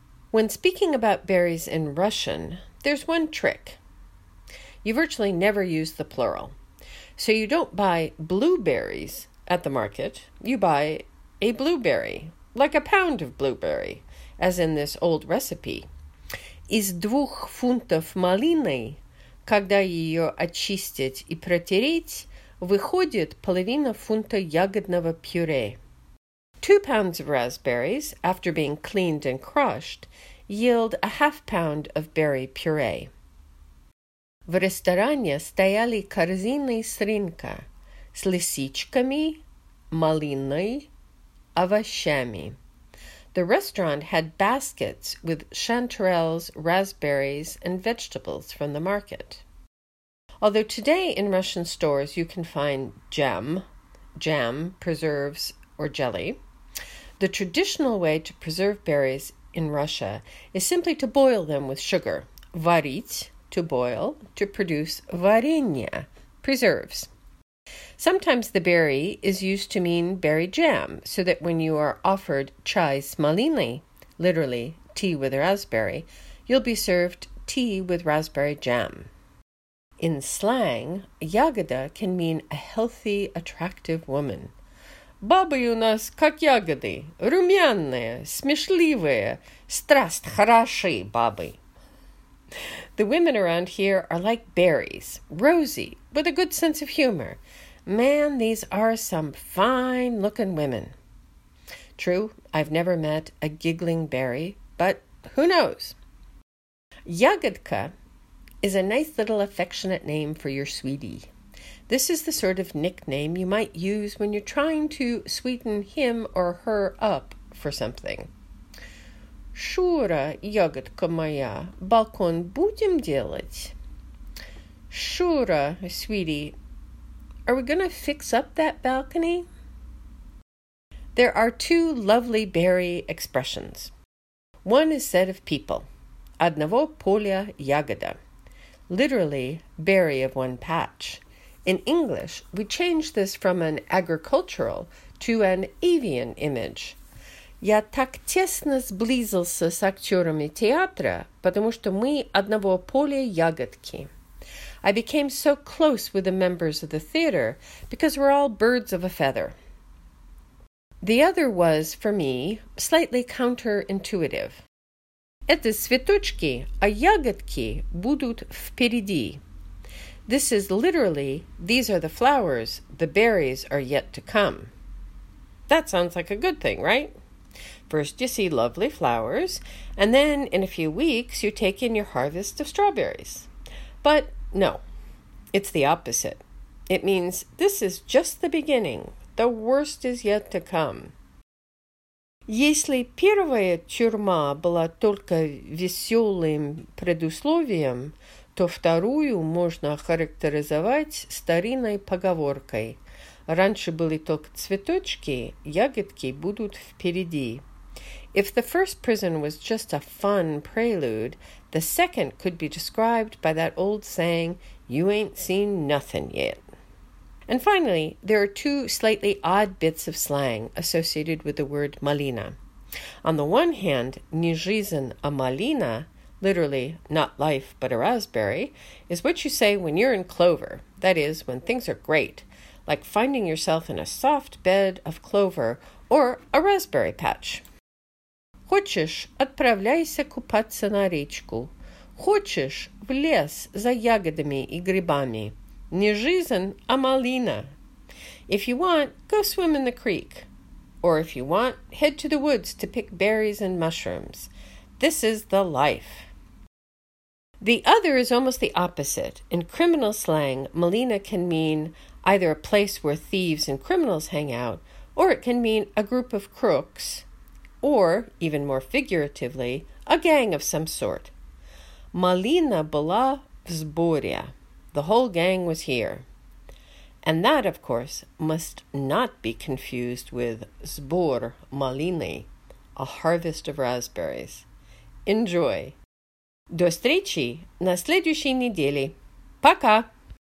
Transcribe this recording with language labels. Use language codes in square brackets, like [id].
[en] When speaking about berries in Russian, there's one trick. You virtually never use the plural. So you don't buy blueberries at the market, you buy a blueberry, like a pound of blueberry, as in this old recipe. [ru] Из двух фунтов малины, когда ее очистить и протереть, выходит половина фунта ягодного пюре. [en] 2 pounds of raspberries, after being cleaned and crushed, yield a half pound of berry puree. [ru] В ресторане стояли корзины с рынка с лисичками, малиной, овощами. [en] The restaurant had baskets with chanterelles, raspberries, and vegetables from the market. Although today in Russian stores you can find jam, preserves, or jelly, the traditional way to preserve berries in Russia is simply to boil them with sugar. Varit, to boil, to produce varenya, preserves. Sometimes the berry is used to mean berry jam, so that when you are offered [ru] chai s malinly, [en] literally tea with a raspberry, you'll be served tea with raspberry jam. In slang, ягода can mean a healthy, attractive woman. [ru] Бабы у нас как ягоды, румяные, смешливые, страст хороши бабы. [en] The women around here are like berries, rosy, with a good sense of humor. Man, these are some fine-looking women. True, I've never met a giggling berry, but who knows? Ягодка is a nice little affectionate name for your sweetie. This is the sort of nickname you might use when you're trying to sweeten him or her up for something. [ru] Шура, ягодка моя, балкон будем делать? [en] Шура, sweetie, are we going to fix up that balcony? There are two lovely berry expressions. One is said of people. [ru] Одного поля ягода. [en] Literally, berry of one patch. In English, we change this from an agricultural to an avian image. [ru] Я так тесно сблизился с актерами театра, потому что мы одного поля ягодки. [en] I became so close with the members of the theater because we're all birds of a feather. The other was, for me, slightly counterintuitive. [ru] Это цветочки, а ягодки будут впереди. [en] This is literally, these are the flowers, the berries are yet to come. That sounds like a good thing, right? First you see lovely flowers, and then in a few weeks you take in your harvest of strawberries. But no, it's the opposite. It means this is just the beginning, the worst is yet to come. [ru] Если первая тюрьма была только веселым предусловием, то вторую можно охарактеризовать старинной поговоркой. Раньше были только цветочки, ягодки будут впереди. [en] If the first prison was just a fun prelude, the second could be described by that old saying, you ain't seen nothing yet. And finally, there are two slightly odd bits of slang associated with the word malina. On the one hand, [ru] не жизнь, а малина, [en] literally, not life but a raspberry, is what you say when you're in clover, that is, when things are great, like finding yourself in a soft bed of clover or a raspberry patch. [ru] Хочешь, отправляйся купаться на речку. Хочешь, в лес за ягодами и грибами. Не жизнь, а малина. [en] If you want, go swim in the creek. Or if you want, head to the woods to pick berries and mushrooms. This is the life. The other is almost the opposite. In criminal slang, malina can mean either a place where thieves and criminals hang out, or it can mean a group of crooks, or, even more figuratively, a gang of some sort. [ru] Malina была в сборе. [en] The whole gang was here. And that, of course, must not be confused with [ru] сбор малины, [en] a harvest of raspberries. Enjoy. [ru] До встречи на следующей неделе. Пока!